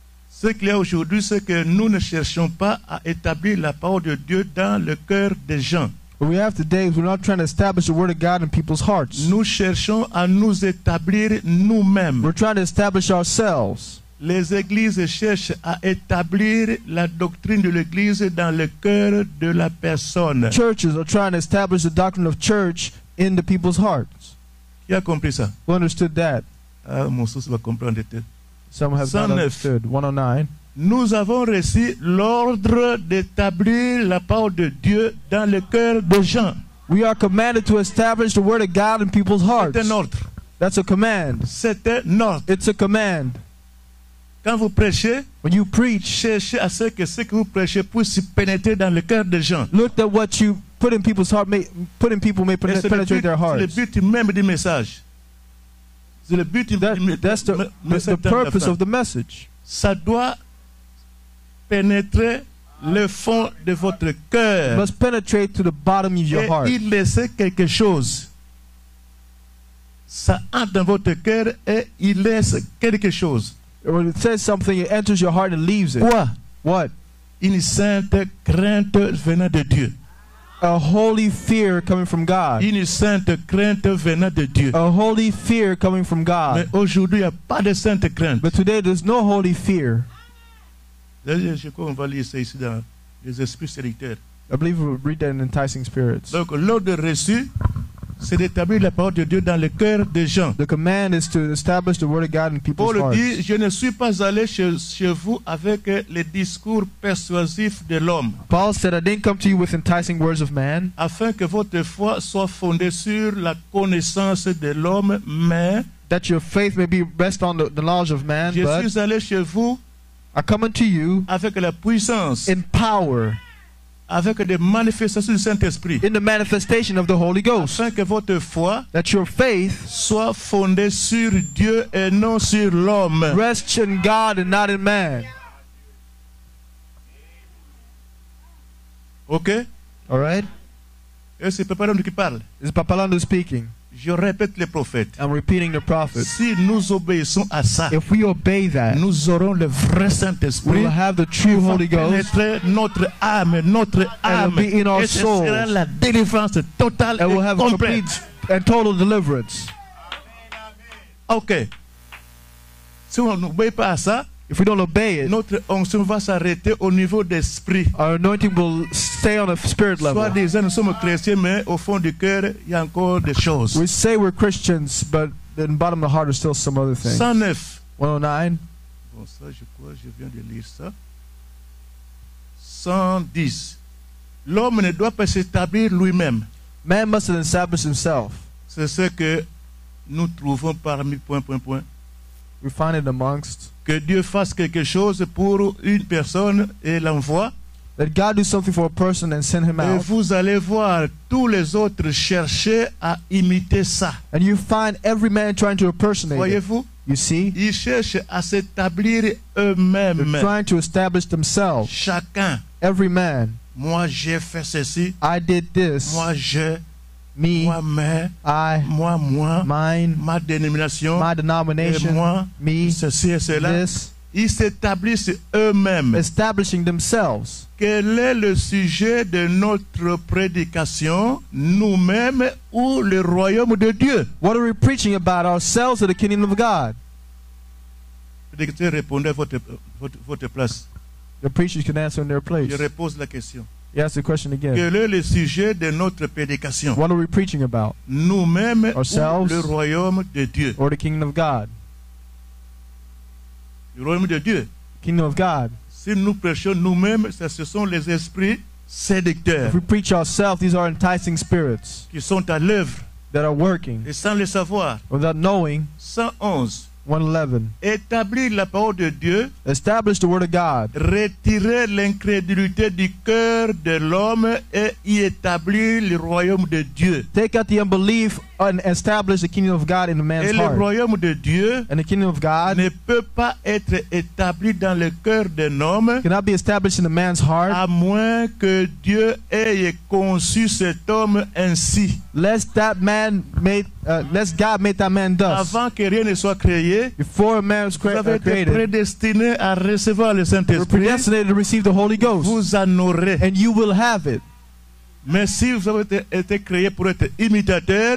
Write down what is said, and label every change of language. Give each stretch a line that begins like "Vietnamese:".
French: Ce qu'il y a aujourd'hui, c'est que nous ne cherchons pas à établir la parole de Dieu dans le cœur des gens.
English: What we have today is we're not trying to establish the word of God in people's hearts.
French: Nous cherchons à nous établir nous-mêmes.
English: We're trying to establish ourselves.
French: Les églises cherchent à établir la doctrine de l'église dans le cœur de la personne.
English: Churches are trying to establish the doctrine of church in the people's hearts.
French: Qui a compris ça?
English: Who understood that?
French: Ah, mon sens va comprendre.
English: Some have not understood. 109.
French: Nous avons reçu l'ordre d'établir la parole de Dieu dans le cœur des gens.
English: We are commanded to establish the word of God in people's hearts.
French: C'est un ordre.
English: That's a command.
French: C'est un ordre.
English: It's a command.
French: Quand vous prêchez,
English: when you preach,
French: cherchez à ce que ce que vous prêchez puisse pénétrer dans le cœur des gens.
English: Look at what you put in people's heart, may put in people, may penetrate their hearts.
French: C'est le but même du message. C'est le but
English: that's the purpose of the message.
French: Ça doit pénétrer le fond de votre cœur.
English: Must penetrate to the bottom of your heart.
French: Et y laisser quelque chose. Ça entre dans votre cœur et il laisse quelque chose.
English: When it says something, it enters your heart and leaves it.
French: Quoi?
English: What?
French: Une sainte crainte venant de Dieu.
English: A holy fear coming from God.
French: Une sainte crainte venant de Dieu.
English: A holy fear coming from God.
French: Mais aujourd'hui, y a pas de sainte crainte.
English: But today, there's no holy fear.
French: Je crois qu'on va lire ça ici dans les esprits séducteurs.
English: I believe we'll read that in Enticing Spirits.
French: Donc, l'ordre reçu. C'est d'établir la parole de Dieu dans le cœur des gens.
English: The command is to establish the word of God in people's hearts.
French: Paul dit, je ne suis pas allé chez vous avec les discours persuasifs de l'homme.
English: Paul said, I didn't come to you with enticing words of man.
French: Afin que votre foi soit fondée sur la connaissance de l'homme, mais
English: that your faith may be based on the knowledge of man.
French: Je suis allé chez vous.
English: I come unto you
French: avec la puissance.
English: In power.
French: Avec des manifestations du Saint-Esprit.
English: In the manifestation of the Holy Ghost.
French: Afin que votre foi,
English: that your faith,
French: soit fondée sur Dieu et non sur l'homme.
English: Rest in God and not in man. Okay? All right?
French: Et c'est Papa Lando qui parle.
English: Is Papa Lando speaking?
French: Je répète les prophètes.
English: I'm repeating the prophets.
French: Si nous obéissons à ça,
English: if we obey that,
French: nous aurons le vrai Saint-Esprit.
English: We will have the true Holy Ghost.
French: Pénétrer notre âme,
English: and it will be in our souls.
French: Et ce sera la délivrance totale
English: and
French: et
English: we'll
French: complète.
English: Complete and total deliverance.
French: Okay. Si on n'obéit pas à ça,
English: if we don't obey it,
French: notre onction va s'arrêter au niveau d'esprit.
English: Our anointing will stay on a spirit level.
French: Soit disant nous sommes chrétiens, mais au fond du cœur, il y a encore des choses.
English: We say we're Christians, but in the bottom of the heart are still some other things.
French: 109.
English: 109.
French: Bon, ça, je crois, je viens de lire ça. 110. L'homme ne doit pas s'établir lui-même.
English: Man must establish himself.
French: C'est ce que nous trouvons parmi point, point, point.
English: We find it amongst.
French: Que Dieu fasse quelque chose pour une personne et l'envoie.
English: Let God do something for a person and send him
French: et
English: out.
French: Et vous allez voir tous les autres chercher à imiter ça.
English: And you find every man trying to impersonate.
French: Voyez-vous?
English: You see?
French: Ils cherchent à s'établir eux-mêmes.
English: They're trying to establish themselves.
French: Chacun.
English: Every man.
French: Moi j'ai fait ceci.
English: I did this.
French: Moi je.
English: Me.
French: Moi, mais,
English: I.
French: Moi, moi.
English: Mine.
French: Ma dénomination.
English: My denomination.
French: Et moi.
English: Me.
French: Ceci et cela.
English: This.
French: Ils s'établissent eux-mêmes.
English: Establishing themselves.
French: Quel est le sujet de notre prédication, nous-mêmes ou le royaume de Dieu?
English: What are we preaching about, ourselves or the kingdom of God?
French: Prédicateur, répondez à votre place.
English: The preachers can answer in their place.
French: Je repose la question.
English: He asked the question again.
French: Quel est le sujet de notre prédication?
English: What are we preaching about?
French: Nous-mêmes
English: ourselves
French: ou le royaume de Dieu?
English: Or the kingdom of God?
French: Le royaume de Dieu.
English: Kingdom of God.
French: Si nous prêchons nous-mêmes, ce sont les esprits séducteurs.
English: If we preach ourselves, these are enticing spirits.
French: Qui sont à l'œuvre.
English: That are working.
French: Et sans le savoir.
English: Without knowing.
French: 111.
English: 111.
French: Établir la parole de Dieu.
English: Establish the word of God.
French: Retirer l'incrédulité du cœur de l'homme et y établir le royaume de Dieu.
English: Take out the unbelief and establish the kingdom of God in the man's heart.
French: Et le royaume de Dieu.
English: And the kingdom of God.
French: Ne peut pas être établi dans le cœur d'un homme.
English: Cannot be established in a man's heart.
French: À moins que Dieu ait conçu cet homme ainsi.
English: Lest that man made, lest God made that man thus.
French: Avant que rien ne soit créé.
English: Before a man was created.
French: Vous avez été prédestiné à recevoir le Saint-Esprit.
English: You're predestined to receive the Holy Ghost.
French: Vous en aurez.
English: And you will have it.
French: Mais si vous avez été créé pour être imitateur,